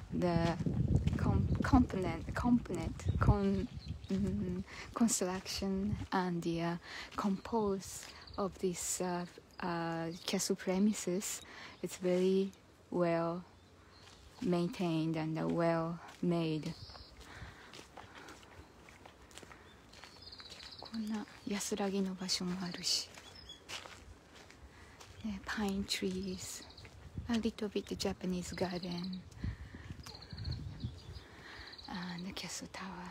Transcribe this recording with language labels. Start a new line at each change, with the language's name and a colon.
English: The component, construction and the compose of this castle premises is very well maintained and well made.
Japanese: こんな安らぎの場所もあるし。
English: ね、pine trees. A little bit Japanese garden and the castle tower.